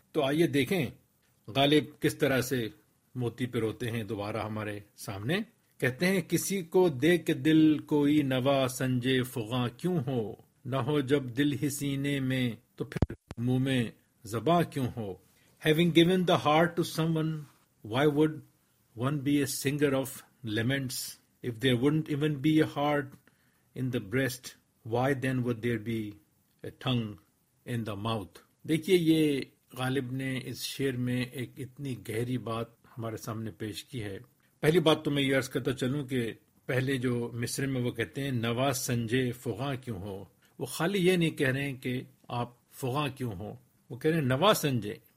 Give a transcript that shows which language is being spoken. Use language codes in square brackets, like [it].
[ur] تو آئیے دیکھیں غالب کس طرح سے موتی پہ روتے ہیں. دوبارہ ہمارے سامنے کہتے ہیں, کسی کو دے کے دل کوئی نوا سنجے فغاں کیوں ہو, نہ ہو جب دل ہی سینے میں تو پھر منہ میں زباں کیوں ہو. [en] Having given the heart to someone, why would one be a singer of laments? If there wouldn't even be a heart in the breast, why then would there be a tongue in the mouth? [ur] دیکھیے یہ غالب نے اس شعر میں ایک اتنی گہری بات ہمارے سامنے پیش کی ہے. پہلی بات تو میں یہ عرض کرتا چلوں کہ پہلے جو مصرع میں وہ کہتے ہیں نواز سنجے فغاں کیوں ہو, وہ خالی یہ نہیں کہہ رہے ہیں کہ آپ فغاں کیوں ہو, وہ کہہ رہے ہیں نواز سنجے.